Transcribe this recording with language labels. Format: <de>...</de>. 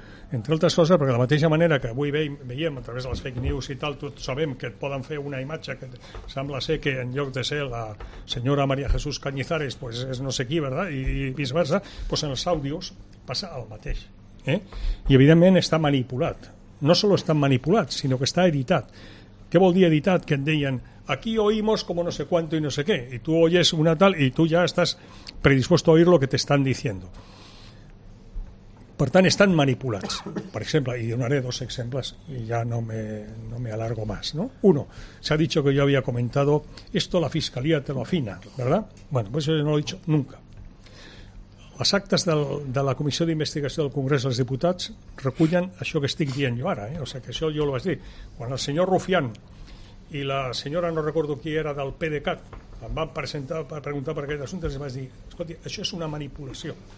<ca>Entre altres coses, perquè de la mateixa manera que avui veiem a través de les fake news i tal, tots sabem que et poden fer una imatge que sembla ser que en lloc de ser la senyora María Jesús Cañizares, pues és no sé qui,</ca> <es>¿verdad?</es> <ca>I viceversa, pues en els àudios passa el mateix. I evidentment està manipulat. No solo està manipulat, sinó que està editat. Què vol dir editat? Que et deien,</ca> <es>aquí oímos como no sé cuánto y no sé qué, i tu oyes una tal</es> <ca>i tu ja estàs</ca> <es>predispuesto a oír lo que te están diciendo.</es> <ca>Per tant, estan manipulats. Per exemple, i donaré dos exemples i ja</ca> <es>no me alargo más. ¿No? Uno, se ha dicho que yo había comentado esto la fiscalía te lo afina, ¿verdad? Bueno, pues yo no lo he dicho nunca.</es> <ca>Les actes de la Comissió d'Investigació del Congrés dels Diputats recullen això que estic dient jo ara. O sigui, que això jo ho vaig dir. Quan el senyor Rufián i la senyora, no recordo qui era, del PDeCAT, em van presentar per preguntar per aquest assumpte, els vaig dir, escolti, això és una manipulació.</ca>